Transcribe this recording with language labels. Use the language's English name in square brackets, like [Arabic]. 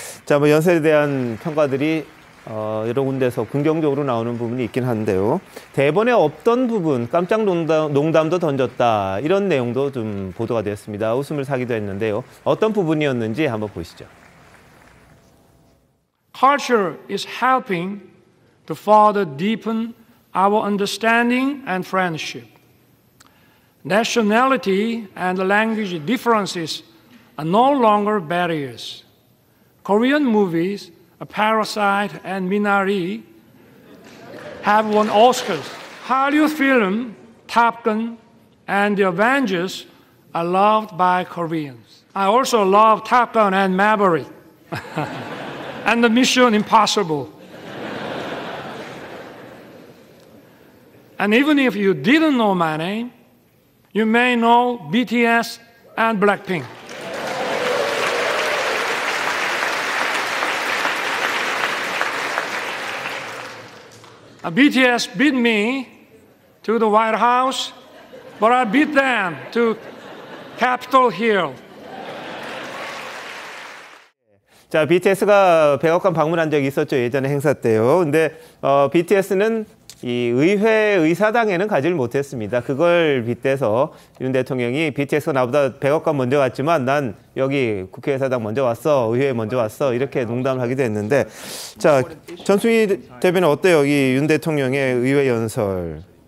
[Korean] 자, 뭐 연설에 대한 평가들이 여러 군데서 긍정적으로 나오는 부분이 있긴 한데요. 대본에 없던 부분, 깜짝 농담도 던졌다. 이런 내용도 좀 보도가 되었습니다. 웃음을 사기도 했는데요. 어떤 부분이었는지 한번 보시죠. [English] Culture is helping to further deepen our understanding and friendship. Nationality and language differences are no longer barriers. Korean movies, A Parasite and Minari have won Oscars. Hallyu film, Top Gun and The Avengers are loved by Koreans. I also love Top Gun and Maverick and the Mission Impossible. And even if you didn't know my name, you may know BTS and Blackpink. 아, BTS beat me to the White House, but I beat them to Capitol Hill. [Korean] 자, BTS가 백악관 방문한 적이 있었죠, 예전에 행사 때요. 근데 BTS는 이 의회 의사당에는 가지를 못했습니다. 그걸 빗대서 윤 대통령이 BTS가 나보다 백악관 먼저 갔지만 난 여기 국회의사당 먼저 왔어, 의회 먼저 왔어 이렇게 농담을 하기도 했는데, 자, 전승희 대변인 어때요, 이 윤 대통령의 의회 연설?